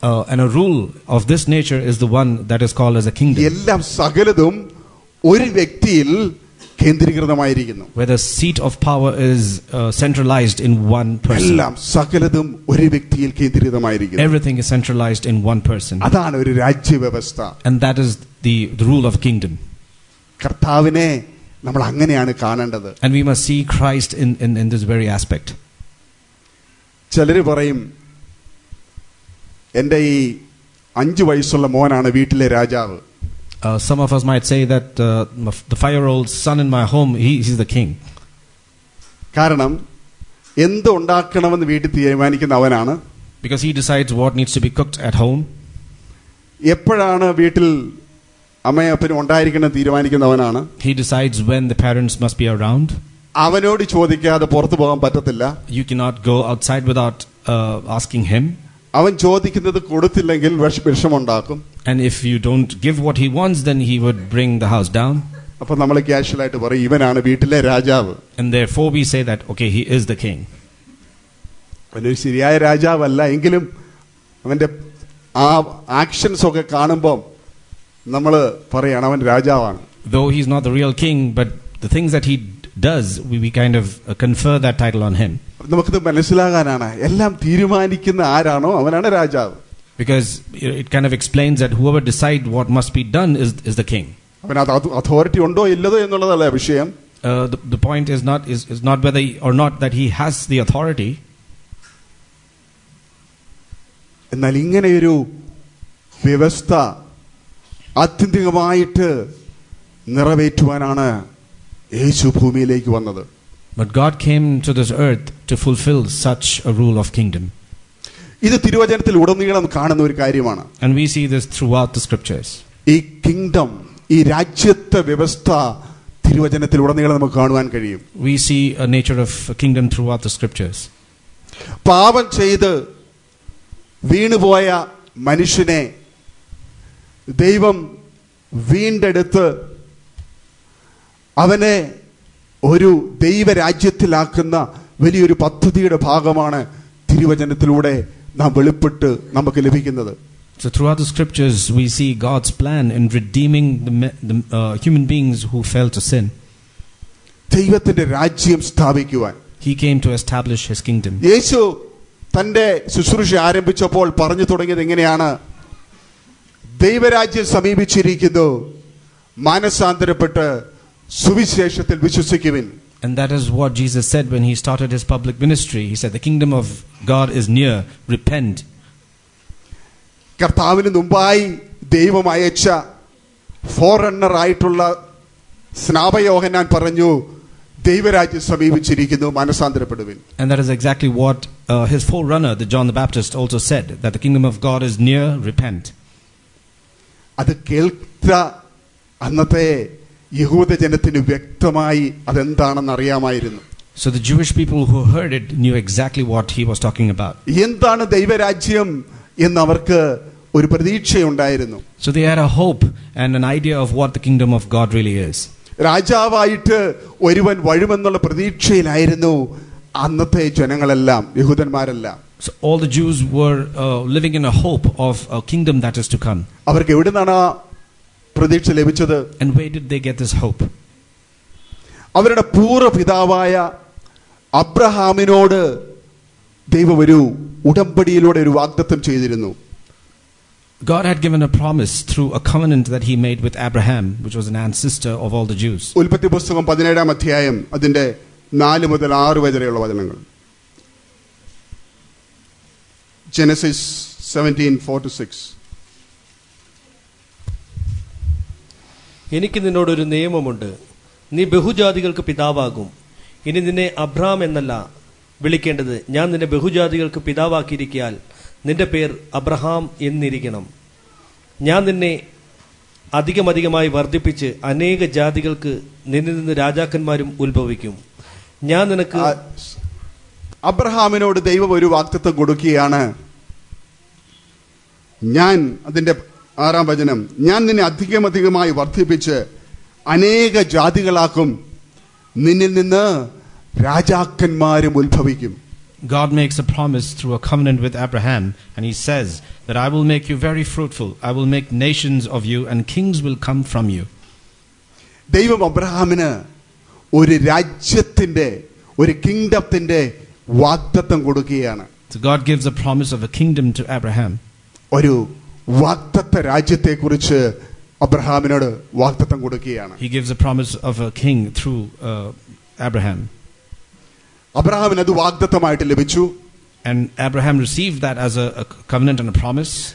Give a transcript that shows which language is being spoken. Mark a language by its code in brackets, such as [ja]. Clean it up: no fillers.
[en] And a rule of this nature is the one that is called as a kingdom. [ml] എല്ലാം സകലതും ഒരു വ്യക്തിയിൽ കേന്ദ്രീകൃതമായിരിക്കുന്നു. [en] Where the seat of power is centralized in one person. [ml] എല്ലാം സകലതും ഒരു വ്യക്തിയിൽ കേന്ദ്രീകൃതമായിരിക്കുന്നു. [en] Everything is centralized in one person. [ml] അതാണ് ഒരു രാജ്യവ്യവസ്ഥ. [en] And that is the rule of kingdom. [ml] കർത്താവിനെ നമ്മൾ അങ്ങനെയാണ് കാണേണ്ടത്. [en] And we must see Christ in this very aspect. [ml] ചിലർ പറയും എന്റെ ഈ 5 വയസ്സുള്ള മോനാണ് വീട്ടിലെ രാജാവ്. [en] Some of us might say that the 5-year-old son in my home, he is the king. [ml] കാരണം എന്ത് ഉണ്ടാക്കണമെന്ന് വീട്ടിൽ തീരുമാനിക്കുന്ന അവനാണ്. [en] Because he decides what needs to be cooked at home. [ml] എപ്പോഴാണ് വീട്ടിൽ അമ്മയും അപ്പനും ഉണ്ടായിരിക്കണം തീരുമാനിക്കുന്ന അവനാണ്. [en] He decides when the parents must be around. [ml] അവനോട് ചോദിക്കാതെ പുറത്തു പോകാൻ പറ്റത്തില്ല. [en] You cannot go outside without asking him. [ml] അവൻ ചോദിക്കുന്നത് കൊടുത്തില്ലെങ്കിൽ വിഷമമുണ്ടാക്കും. [en] And if you don't give what he wants, then he would bring the house down. [ml] അപ്പോൾ നമ്മൾ കാഷ്വൽ ആയിട്ട് പറയും ഇവനാണ് വീട്ടിലെ രാജാവ്. [en] And therefore we say that okay, he is the king. [ml] അവനൊരു ശരിയായ രാജാവല്ല, എങ്കിലും അവന്റെ ആ ആക്ഷൻസ് ഒക്കെ കാണുമ്പോൾ നമ്മൾ പറയാണ് അവൻ രാജാവാണ്. [en] Though he is not the real king, but the things that he does, we kind of confer that title on him. [ml] നമുക്കത് മനസ്സിലാകാനാണ്, എല്ലാം തീരുമാനിക്കുന്ന ആരാണോ അവനാണ് രാജാവ്. [en] Because it kind of explains that whoever decides what must be done is the king. [ml] അവന് authority ഉണ്ടോ ഇല്ലതോ എന്നുള്ളതല്ല വിഷയം. [en] The point is not whether or not that he has the authority. [ml] എന്നാൽ ഇങ്ങനെയൊരു വ്യവസ്ഥ ആത്യന്തികമായിട്ട് നിറവേറ്റുവാനാണ് യേശു ഭൂമിയിലേക്ക് വന്നത്. [en] But God came to this earth to fulfill such a rule of kingdom. [ml] ഇത് തിരുവചനത്തിൽ ഉടനീളം കാണുന്ന ഒരു കാര്യമാണ്. [en] And we see this throughout the scriptures. [ml] ഈ കിങ്ഡം, ഈ രാജ്യത്വ വ്യവസ്ഥ തിരുവചനത്തിൽ ഉടനീളം നമുക്ക് കാണുവാൻ കഴിയും. [en] We see a nature of a kingdom throughout the scriptures. [ml] പാപം ചെയ്ത് വീണുപോയ മനുഷ്യനെ ദൈവം വീണ്ടെടുത്ത് അവനെ ഒരു ദൈവരാജ്യത്തിലാക്കുന്ന വലിയൊരു പദ്ധതിയുടെ ഭാഗമാണ് തിരുവചനത്തിലൂടെ നാം വെളിപ്പെട്ട് നമുക്ക് ലഭിക്കുന്നത്. [en] So throughout the scriptures we see God's plan in redeeming the human beings who fell to sin. [ml] ദൈവത്തിന്റെ രാജ്യം സ്ഥാപിക്കുവാൻ. [en] He came to establish his kingdom. [ml] യേശു തന്റെ ശുശ്രൂഷ ആരംഭിച്ചപ്പോൾ പറഞ്ഞു തുടങ്ങിയത് എങ്ങനെയാണ്? ദൈവരാജ്യം സമീപിച്ചിരിക്കുന്നു, മാനസാന്തരപ്പെട്ട് സുവിശേഷത്തിൽ വിശ്വസിക്കുവിൻ. [en] And that is what Jesus said when he started his public ministry. He said, the kingdom of God is near. Repent. [ml] കർത്താവിന് മുമ്പായി ദൈവം അയച്ച ഫോറണ്ണർ ആയിട്ടുള്ള സ്നാപയോഹന്നാൻ പറഞ്ഞു, ദൈവരാജ്യം സമീപിച്ചിരിക്കുന്നു, മനസാന്തരപ്പെടുവിൻ. [en] And that is exactly what his forerunner, the John the Baptist, also said, that the kingdom of God is near. Repent. [ml] അത് കേൾത്ത അന്നത്തെ യഹൂദജനത്തിന് വ്യക്തമായി അതെന്താണെന്ന് അറിയാമായിരുന്നു. [en] So the Jewish people who heard it knew exactly what he was talking about. [ml] എന്താണ് ദൈവരാജ്യം എന്ന് അവർക്ക് ഒരു പ്രതീക്ഷയുണ്ടായിരുന്നു. [en] So they had a hope and an idea of what the kingdom of God really is. [ml] രാജാവായിട്ട് ഒരുവൻ വരുമെന്നുള്ള പ്രതീക്ഷയിലായിരുന്നു അന്നത്തെ ജനങ്ങളെല്ലാം, യഹൂദന്മാരെല്ലാം. [en] So all the Jews were living in a hope of a kingdom that is to come. [ml] അവർക്ക് എവിടുന്നാണ് പ്രതീക്ഷ ലഭിച്ചത്? [en] And where did they get this hope? [ml] അവരുടെ പൂർവ്വപിതാവായ അബ്രഹാമിനോട് ദൈവം ഒരു ഉടമ്പടിയിലൂടെ ഒരു വാഗ്ദത്തം ചെയ്തിരുന്നു. [en] God had given a promise through a covenant that he made with Abraham, which was an ancestor of all the Jews. [ml] ഉൽപ്പത്തി പുസ്തകം 17 അധ്യായം അതിന്റെ 4 മുതൽ 6 വരെയുള്ള വചനങ്ങൾ. [en] Genesis 17:4-6. [ml] എനിക്ക് നിന്നോട് ഒരു നിയമമുണ്ട്. നീ ബഹുജാതികൾക്ക് പിതാവാകും. ഇനി നിന്നെ അബ്രഹാം എന്നല്ല വിളിക്കേണ്ടത്. ഞാൻ നിന്നെ ബഹുജാതികൾക്ക് പിതാവാക്കിയിരിക്കയാൽ നിന്റെ പേർ അബ്രഹാം എന്നിരിക്കണം. ഞാൻ നിന്നെ അധികമധികമായി വർദ്ധിപ്പിച്ച് അനേക ജാതികൾക്ക് നിന്നിൽ നിന്ന് രാജാക്കന്മാരും ഉത്ഭവിക്കും. ഞാൻ നിനക്ക് അബ്രഹാമിനോട് ദൈവം ഒരു വാഗ്ദത്തം കൊടുക്കുകയാണ്. ഞാൻ അതിന്റെ 6 വചനം, ഞാൻ നിന്നെ അധികമധികമായി വർദ്ധിപ്പിച്ച് അനേക ജാതികളാക്കും, നിന്നിൽ നിന്ന് രാജാക്കന്മാരും ഉത്ഭവിക്കും. [en] God makes a promise through a covenant with Abraham, and he says that I will make you very fruitful, I will make nations of you, and kings will come from you. [ml] ദൈവം അബ്രഹാമിന് ഒരു രാജ്യത്തിന്റെ, ഒരു കിംഗ്ഡത്തിന്റെ വാഗ്ദത്തം കൊടുക്കുകയാണ്. [en] So God gives a promise of a kingdom to Abraham. [ml] ഒരു വാഗ്ദത്ത രാജ്യത്തെക്കുറിച്ച് അബ്രഹാമിനോട് വാഗ്ദത്തം കൊടുക്കുകയാണ്. [en] He gives a promise of a king through Abraham. [ml] അബ്രഹാമിന് അത് വാഗ്ദത്തമായിട്ട് ലഭിച്ചു. [en] And Abraham received that as a covenant and a promise.